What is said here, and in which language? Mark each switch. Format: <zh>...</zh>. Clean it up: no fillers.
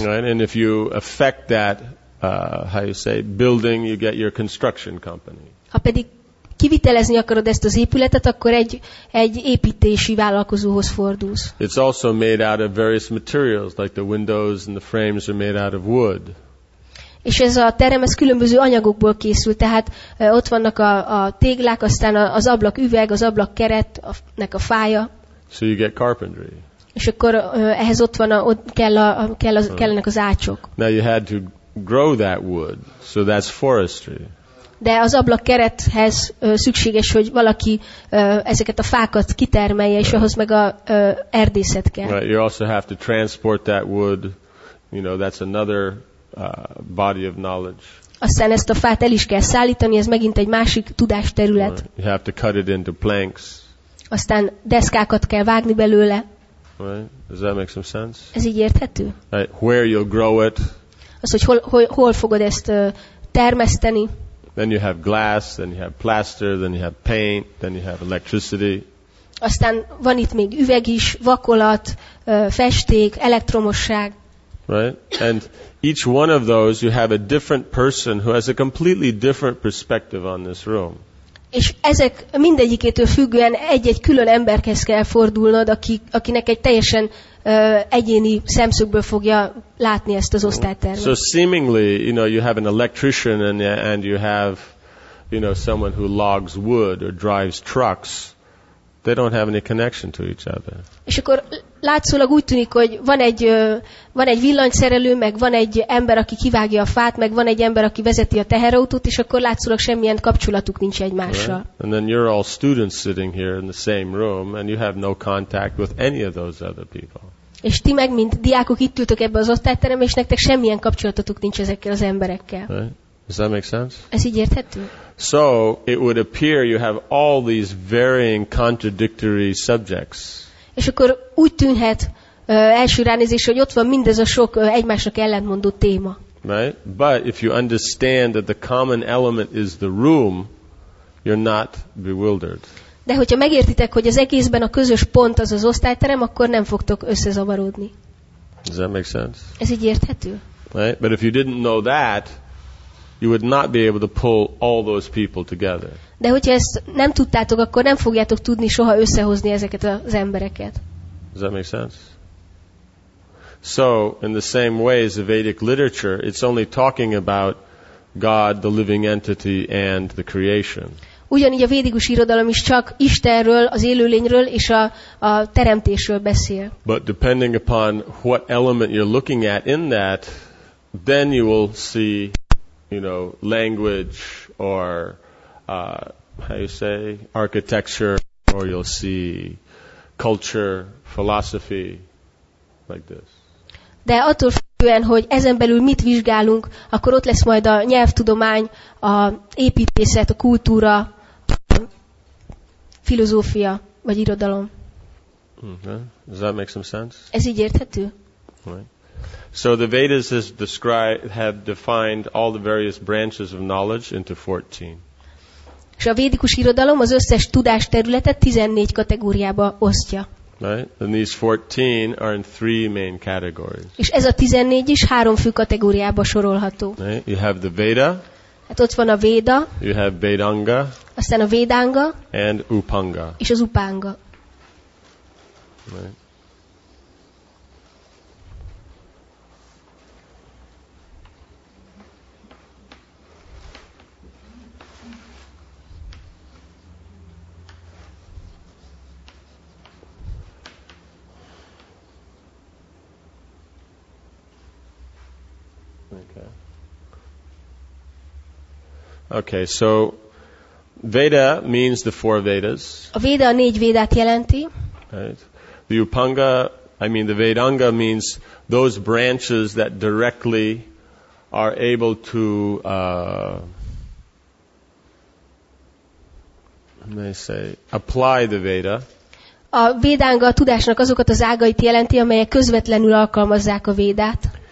<en>Right, and if you affect that, how you say, building, you get your construction company.</en> <hu>Ha pedig kivitelezni akarod ezt az épületet, akkor egy építési vállalkozóhoz fordulsz.</hu> <en>It's also made out of various materials, like the windows and the frames are made out of wood.</en> <hu>És ez a terem, ez különböző anyagokból készül, tehát ott vannak a téglák, aztán az ablak üveg, az ablak keretnek a fája.</hu> <en>So you get carpentry.</en> <hu>És akkor ehhez ott van, ott kellenek az ácsok.</hu> <en>Now you had to grow that wood, so that's forestry.</en> <hu>De az ablak kerethez szükséges, hogy valaki ezeket a fákat kitermelje, és ahhoz meg a erdészet kell.</hu> <en>Right. You also have to transport that wood. You know, that's another body of knowledge.</en> <hu>Aztán ezt a fát el is kell szállítani, ez megint egy másik tudásterület.</hu> <en>Right. You have to cut it into planks.</en> <hu>Aztán deszkákat kell vágni belőle.</hu> <en>Right. Does that make some sense?</en> <hu>Ez így érthető?</hu> <en>Right. Where you'll grow it.</en> <hu>Az, hogy hol fogod ezt termeszteni.</hu> <en>Then you have glass, then you have plaster, then you have paint, then you have electricity.</en> <hu>Aztán van itt még üveg is, vakolat, festék, elektromosság.</hu> <en>Right? And each one of those, you have a different person who has a completely different perspective on this room. És ezek mindegyikétől függően egy-egy külön emberhez kell fordulnod, akinek egy teljesen egyéni szemszögből fogja látni ezt az osztálytermet. So seemingly, you know, you have an electrician and you have, you know, someone who logs wood or drives trucks. They don't have any connection to each other.</en> <hu>És akkor látszólag úgy tűnik, hogy van egy villanyszerelő, meg van egy ember, aki kivágja a fát, meg van egy ember, aki vezeti a teherautót, és akkor látszólag semmilyen kapcsolatuk nincs egymással.</hu> <en>Right. And then you're all students sitting here in the same room, and you have no contact with any of those other people.</en> <hu>És ti meg, mint diákok itt ültök ebbe az osztályterembe, és nektek semmilyen kapcsolatotuk nincs ezekkel az emberekkel.</hu> <en>Right. Does that make sense?</en> <hu>Ez így érthető?</hu> <en>So it would appear you have all these varying contradictory subjects.</en> <hu>És akkor úgy tűnhet első ránézésre, hogy ott van mindez a sok egymásnak ellentmondó téma.</hu> <en>Right? But if you understand that the common element is the room, you're not bewildered.</en> <hu>De hogyha megértitek, hogy az egészben a közös pont az az osztályterem, akkor nem fogtok összezavarodni.</hu> <en>Does that make sense?</en> <hu>Ez így érthető?</hu> <en>Right? But if you didn't know that, you would not be able to pull all those people together.</en> <hu>De hogyha ezt nem tudtátok, akkor nem fogjátok tudni soha összehozni ezeket az embereket.</hu> <en>Does that make sense? So, in the same way as the Vedic literature, it's only talking about God, the living entity, and the creation.</en> <hu>Ugyanígy a védikus irodalom is csak Istenről, az élőlényről és a teremtésről beszél.</hu> <en>But depending upon what element you're looking at in that, then you will see you know, language or how you say architecture, or you'll see culture, philosophy, like this.</en> <hu>De attól függően, hogy ezen belül mit vizsgálunk, akkor ott lesz majd a nyelvtudomány, a építészet, a kultúra, a filozófia vagy irodalom. Mm-hmm.</hu> <en>Does that make some sense?</en> <hu>Ez így érthető?</hu> <en>So the Vedas has described, have defined all the various branches of knowledge into 14.</en> <hu>És a védikus irodalom az összes tudás területet 14 kategóriába osztja.</hu> <en>Right? And these 14 are in three main categories.</en> <hu>És ez a 14 is három fő kategóriába sorolható.</hu> <en>Right? You have the Veda.</en> <hu>Hát ott van a Veda.</hu> <en>You have Vedanga.</en> <hu>Aztán a Vedanga.</hu> <en>And Upanga.</en> <hu>És az Upanga.</hu> <en>Right? Okay, so Veda means the four Vedas.</en> <hu>A Veda a négy Védát jelenti.</hu> <en>Right. The Upanga, I mean the Vedanga, means those branches that directly are able to, may say, apply the Veda.</en> <hu>A Vedanga a tudásnak azokat az ágait jelenti, amelyek közvetlenül alkalmazzák a Védát.</hu>